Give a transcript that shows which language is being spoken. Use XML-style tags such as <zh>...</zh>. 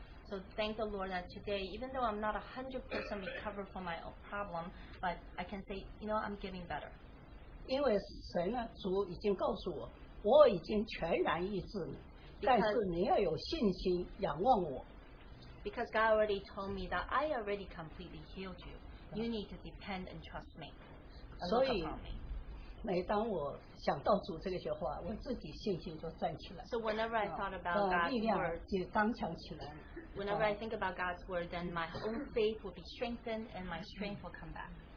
<en>So thank the Lord that today, even though I'm not 100% recovered from my own problem, but I can say, you know, I'm getting better.</en> <zh>因为神呢，主已经告诉我，我已经全然医治你，但是你要有信心仰望我。</zh> <en>Because God already told me that I already completely healed you. You need to depend and trust me.</en> <zh>所以每当我想到主这些话，我自己信心就站起来。</zh> <en>So whenever I thought about God's word, whenever I think about God's word, then my own faith will be strengthened and my strength will come back.</en>